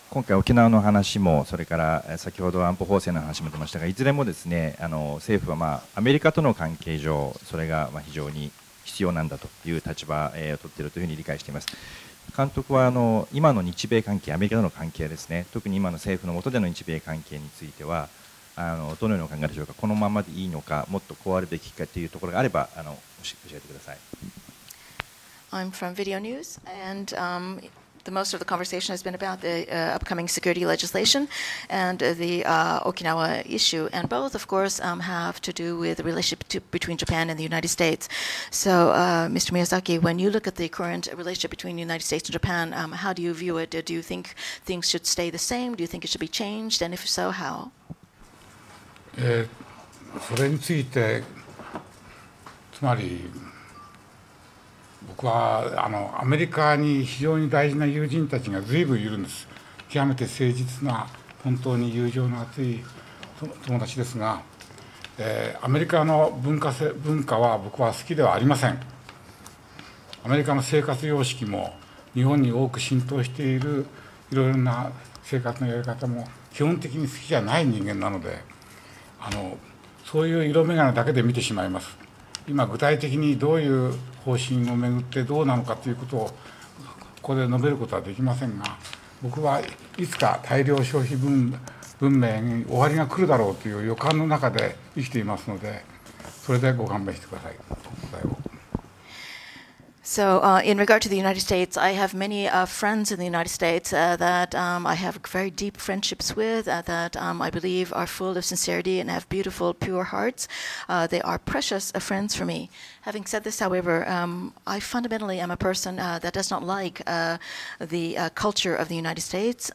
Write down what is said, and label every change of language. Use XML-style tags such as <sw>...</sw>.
<ja>今回沖縄の話もそれから先ほど安保法制の話も出ましたが、いずれもですね、政府は、アメリカとの関係上それが非常に必要なんだという立場を取っているというふうに理解しています。監督は今の日米関係、アメリカとの関係ですね、特に今の政府の下での日米関係についてはどのようにお考えでしょうか。このままでいいのか、もっとこうあるべきかというところがあれば教えてください。</ja> <en>I'm from Video News, and the most of the conversation has been about the upcoming security legislation and the Okinawa issue. And both, of course, have to do with the relationship between Japan and the United States. So, Mr. Miyazaki, when you look at the current relationship between the United States and Japan, how do you view it? Do you think things should stay the same? Do you think it should be changed? And if so, how?</en> <ja>それについて、つまり僕はアメリカに非常に大事な友人たちが随分いるんです。極めて誠実な本当に友情の厚い友達ですが、アメリカの文化は僕は好きではありません。アメリカの生活様式も日本に多く浸透しているいろいろな生活のやり方も基本的に好きじゃない人間なので、そういう色眼鏡だけで見てしまいます。今具体的にどういう方針をめぐってどうなのかということをここで述べることはできませんが、僕はいつか大量消費文明に終わりが来るだろうという予感の中で生きていますので、それでご勘弁してください。</ja> <en>So, in regard to the United States, I have many friends in the United States that I have very deep friendships with, that I believe are full of sincerity and have beautiful, pure hearts. They are precious friends for me. Having said this, however, I fundamentally am a person that does not like the culture of the United States.</en>